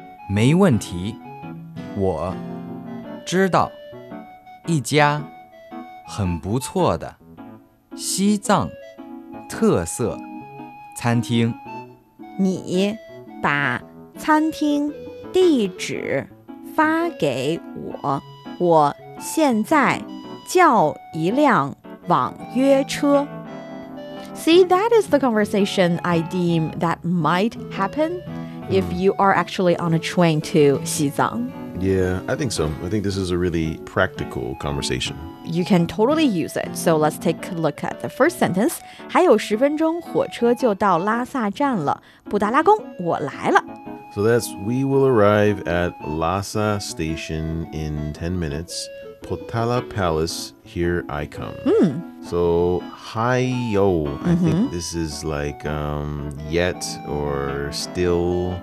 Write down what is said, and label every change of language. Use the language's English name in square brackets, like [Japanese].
[Chinese] 没问题，我知道一家很不错的西藏特色餐厅。你把餐厅地址发给我，我现在叫一辆网约车。 [English] See, that is the conversation I deem that might happen if you are actually on a train to Xizang. Yeah, I think so. I think this is a really practical conversation. You can totally use it. So let's take a look at the first sentence. [Chinese] 还有十分钟火车就到拉萨站了。布达拉宫，我来了。 [English] So that's, we will arrive at Lhasa Station in 10 minutes. Potala Palace, here I come. So, Háiyǒu, I think this is like yet or still.